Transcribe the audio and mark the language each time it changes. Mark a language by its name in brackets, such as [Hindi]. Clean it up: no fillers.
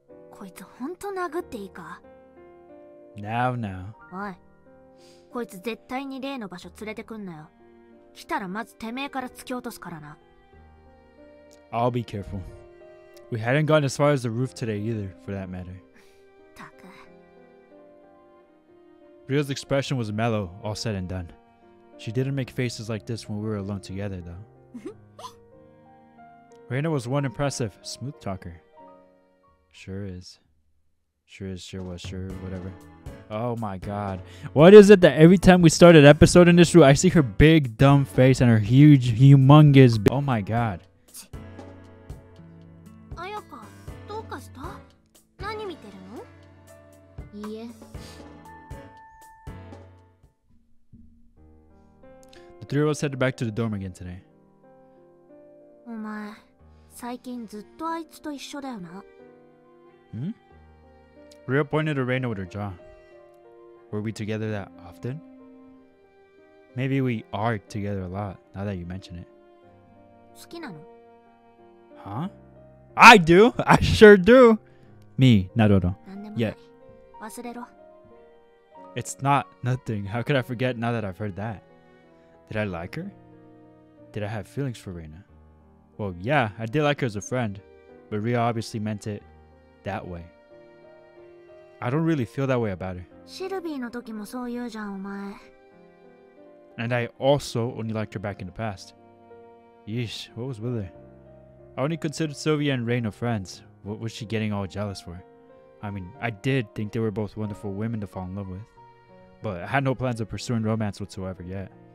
[Japanese] こいつほんと殴っていいか? [English] Now. [Japanese] おい、こいつ絶対に例の場所連れてくんなよ。来たらまずてめえから突き落とすからな。 [English] I'll be careful. We hadn't gone as far as the roof today either, for that matter. [Japanese] たく。 [English] Rio's expression was mellow, all said and done. She didn't make faces like this when we were alone together, though. Reina was one impressive smooth talker. Sure, whatever. Oh my god. What is it that every time we start an episode in this room, I see her big dumb face and her huge, humongous. Oh my god. [Japanese] Ayaka, dou ka shita? Nani miteru no? Ie. [English] The three of us headed back to the dorm again today. [Japanese] Omae. 最近ずっとあいつと一緒だよな。 [English] ん?Rio pointed at Reina with her jaw. Were we together that often? Maybe we are together a lot, now that you mention it. [Japanese] 好きなの? [English] Huh? I do! I sure do! Me, Naruto. [Japanese] Yeah. 忘れろ。 [English] It's not nothing. How could I forget now that I've heard that? Did I like her? Did I have feelings for Reina? Well, yeah, I did like her as a friend, but Rio obviously meant it that way. I don't really feel that way about her. [Japanese] シルビーの時もそう言うじゃん、お前。 [English] And I also only liked her back in the past. Yeesh, what was with her? I only considered Sylvia and Reina friends. What was she getting all jealous for? I mean, I did think they were both wonderful women to fall in love with, but I had no plans of pursuing romance whatsoever yet.